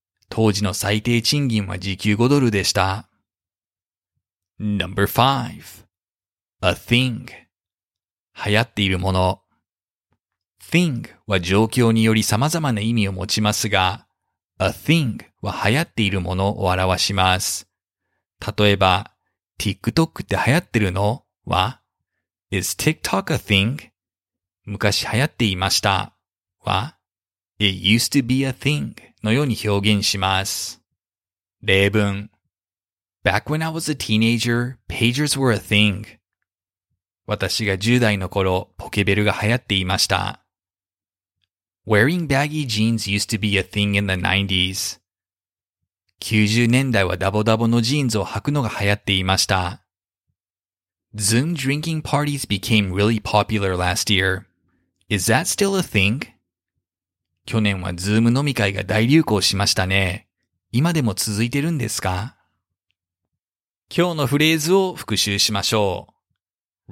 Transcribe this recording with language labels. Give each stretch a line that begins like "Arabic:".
Japanese: 当時の最低賃金は時給5ドルでした。
English: Number five. A thing.
Japanese: 流行っているもの。 Thing は状況により様々な意味を持ちますが、A thing は流行っているものを表します。例えば、TikTok って流行ってるの? は、
English: Is TikTok a thing?
Japanese: 昔流行っていました。は、
English: It used to be a thing.
Japanese: のように表現します。例文。
English: Back when I was a teenager, pagers were a thing.
Japanese: 私が10代の頃、ポケベルが流行っていました。
English: Wearing baggy jeans used to be a thing in the 90s.
Japanese: 90年代はダボダボのジーンズを履くのが流行っていました。
English: Zoom drinking parties became really popular last year. Is that still a thing?
Japanese: 去年はズーム飲み会が大流行しましたね。今でも続いてるんですか? 今日のフレーズを復習しましょう。